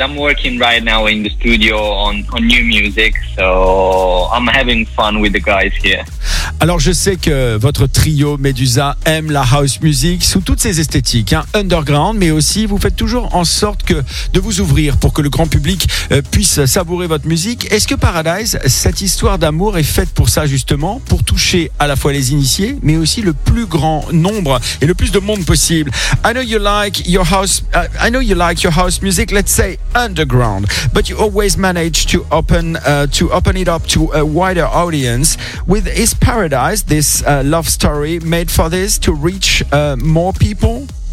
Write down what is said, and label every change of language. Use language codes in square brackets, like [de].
[en] I'm working right now in the studio on new music, so I'm having fun with the guys here. [fr] Alors, je sais que votre trio Médusa aime la house music sous toutes ses esthétiques, hein, underground, mais aussi vous faites toujours en sorte de vous ouvrir pour que le grand public puisse savourer votre musique. Est-ce que Paradise, cette histoire d'amour, est faite pour ça justement, pour toucher à la fois les initiés, mais aussi le plus grand nombre et le plus de monde possible? [en] I know you like your house music, let's say underground, but you always manage to open it up to a wider audience. With Is Paradise, this love story, made for this to reach more people?